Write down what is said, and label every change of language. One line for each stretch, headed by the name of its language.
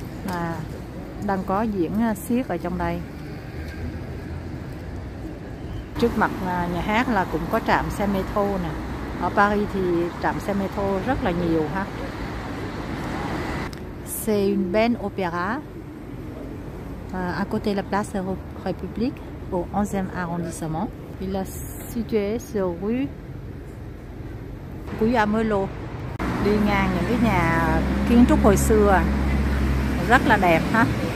Vietnamese: À, đang có diễn xiếc ở trong đây. Trước mặt nhà hát là cũng có trạm xe metro nè. Ở Paris thì trạm xe metro rất là nhiều ha.
French: C'est une belle opéra à côté de la place République au 11e arrondissement. Il est situé sur rue Guillaume-Melo.
Vietnamese: Đi ngang những cái nhà kiến trúc hồi xưa rất là đẹp ha.